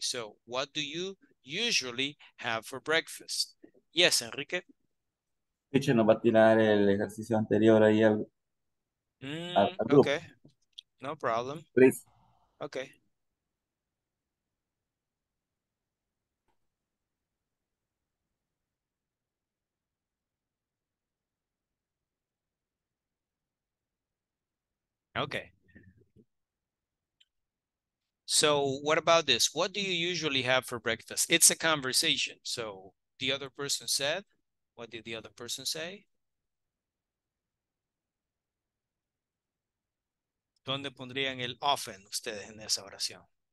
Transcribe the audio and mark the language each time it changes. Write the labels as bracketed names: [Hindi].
[English] So what do you usually have for breakfast? Yes, Enrique. [Spanish] Teacher nos va a tirar el ejercicio anterior ahí al, al grupo. [English] Okay. No problem. Please. Okay. Okay. So what about this? What do you usually have for breakfast? It's a conversation. So the other person said, what did the other person say? [Spanish] ¿Dónde pondrían el often ustedes en esa oración?